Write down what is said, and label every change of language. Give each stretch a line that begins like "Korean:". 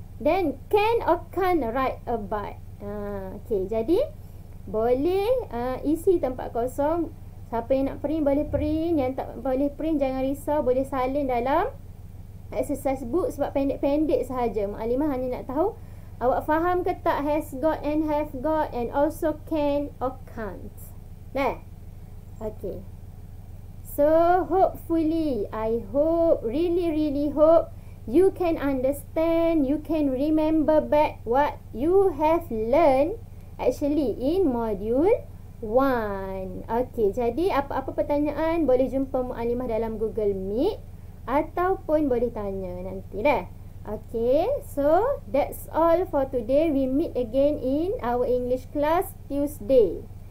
English: Then can or can't ride a bike.
Malay: Okay. Jadi boleh isi tempat kosong. Siapa yang nak print boleh print. Yang tak boleh print jangan risau. Boleh salin dalam
English: exercise book
Malay: sebab pendek-pendek sahaja. Mu'alimah hanya nak tahu awak faham ke tak
English: has got and have got and also can or can't.
Malay: Nah. Okay.
English: So hopefully, I hope, really really hope you can understand, you can remember back what you have learned actually in module 1.
Malay: Okay, jadi apa-apa pertanyaan boleh jumpa Mu'alimah dalam Google Meet. Ataupun boleh tanya nanti dah.
English: Okay, so that's all for today. We meet again in our English class Tuesday.